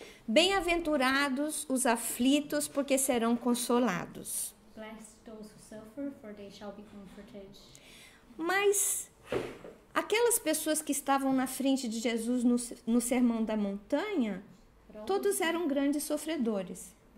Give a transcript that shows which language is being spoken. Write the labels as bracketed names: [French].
[Portuguese] Bem-aventurados os aflitos, porque serão consolados. [English] Blessed those who suffer, for they shall be comforted. [Portuguese] Mas aquelas pessoas que estavam na frente de Jesus no Sermão da Montanha, todos eram grandes sofredores.